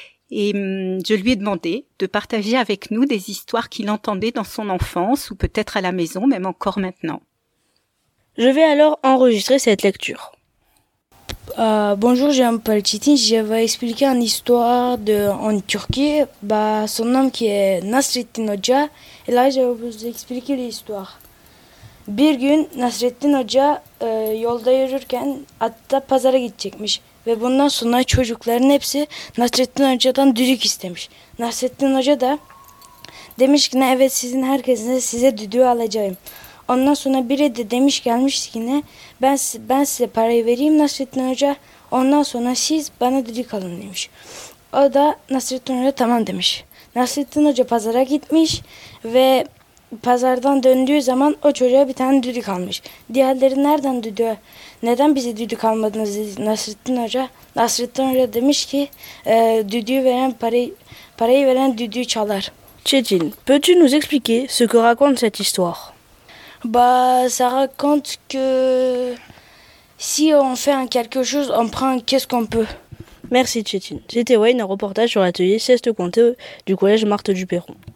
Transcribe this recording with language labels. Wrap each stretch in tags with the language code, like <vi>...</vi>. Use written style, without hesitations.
<fr>Et je lui ai demandé de partager avec nous des histoires qu'il entendait dans son enfance ou peut-être à la maison, même encore maintenant. Je vais alors enregistrer cette lecture. Bonjour, je m'appelle Çetin, je vais expliquer une histoire en Turquie. Son nom qui est Nasrettin Hoca, et là je vais vous expliquer l'histoire.</fr> <tr>Bir gün Nasrettin Hoca yolda yürürken hatta pazara gidecekmiş ve bundan sonra çocukların hepsi Nasrettin Hoca'dan düdük istemiş. Nasrettin Hoca da demiş ki evet sizin herkesin size düdüğü alacağım. Ondan sonra biri de demiş gelmiş ki ne ben size parayı vereyim Nasrettin Hoca. Ondan sonra siz bana düdük alın demiş. O da Nasrettin Hoca tamam demiş. Nasrettin Hoca pazara gitmiş ve pazardan döndüğü zaman o çocuğa bir tane düdük almış. Diğerleri nereden düdüğü, neden bize düdük almadınız dedi Nasrettin Hoca. Nasrettin Hoca demiş ki düdüğü veren parayı veren düdüğü çalar.</tr> <fr>Çetin, peux-tu nous expliquer ce que raconte cette histoire? Bah, ça raconte que si on fait un quelque chose, on prend qu'est-ce qu'on peut. Merci, Chetin. C'était Wayne, un reportage sur l'atelier Ceste Comté du collège Marthe Duperron.</fr>